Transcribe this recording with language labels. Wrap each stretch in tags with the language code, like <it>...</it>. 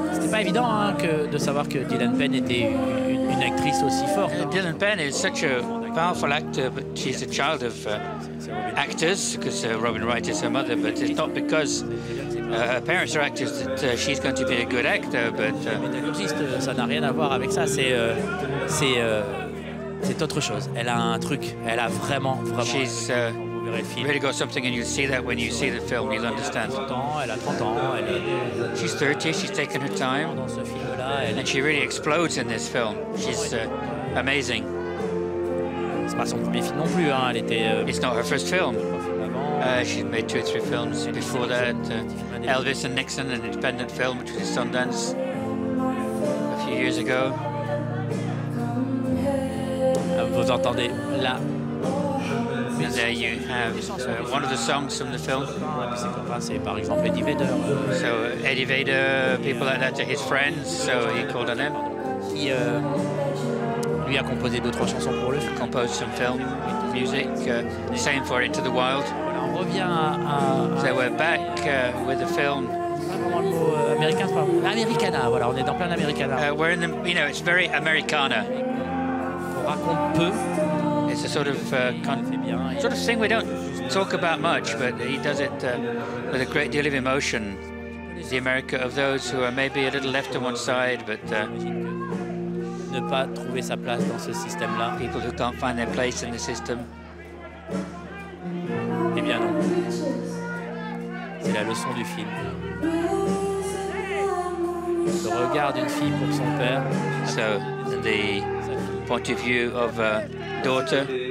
<fr>C'est évident hein, que de savoir que Dylan Penn était une actrice aussi forte.</fr> <en>Dylan Penn is such a powerful actor, but she's a child of actors, because Robin Wright is her mother, but it's not because her parents are actors that she's going to be a good actor, but...</en> <fr>Ça n'a rien à voir avec ça, c'est autre chose. Elle a un truc, elle a vraiment, vraiment...</fr> <en>She's really got something, and you'll see that when you see the film, you'll understand.</en> <fr>Elle a 30 ans, elle est...</fr> <en>She's 30, she's taken her time, and she really explodes in this film. She's amazing.</en> <fr>C'est pas son premier film non plus, hein. Elle était,</fr> <en>it's not her first film. She's made two or three films before that. Elvis and Nixon, an independent film, which was in Sundance a few years ago.</en> <fr>Vous entendez là.</fr> <en>And there you have one of the songs from the film. So Eddie Vedder, people like that are his friends, so he called on them.</en> <fr>Lui a composé d'autres chansons pour le film.</fr> <en>Composed some film music, same for Into the Wild.</en> <fr>On revient à...</fr> <en>So we're back with the film.</en> <fr>Americana, voilà, on est dans plein d'Americana.</fr> <en>We're in the, you know, it's very Americana.</en> <fr>On raconte peu.</fr> <en>It's a sort of sort of thing we don't talk about much, but he does it with a great deal of emotion. The America of those who are maybe a little left on one side, but...</en> <fr>ne pas trouver sa place dans ce système-là.</fr> <en>People who can't find their place in the system.</en> <fr>Eh bien non. C'est la leçon du film. Le regard d'une fille pour son père.</fr> <en>So, the point of view of a daughter</en>